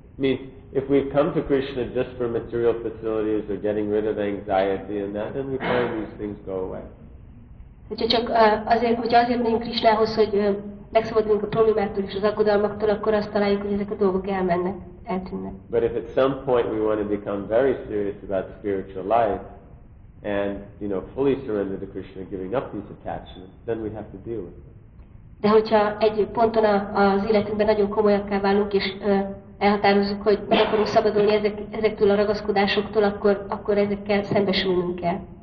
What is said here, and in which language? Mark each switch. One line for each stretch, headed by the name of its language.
English: I mean, if we come to Krishna just for material facilities or getting rid of anxiety and that, then we find these things go away.
Hungarian: Hogyha csak azért megyünk Krishnához, hogy megszabadulunk a problémáktól és az aggodalmaktól, akkor azt találjuk, hogy ezek a dolgok elmennek, eltűnnek.
English: But if at some point we want to become very serious about spiritual life, and, you know, fully surrender to Krishna, giving up these attachments, then we have to deal with them.
Hungarian: De hogyha egy ponton az életünkben nagyon komolyakká válunk, és elhatározunk, hogy meg akarunk szabadulni ezektől a ragaszkodásoktól, akkor ezekkel szembesülnünk kell.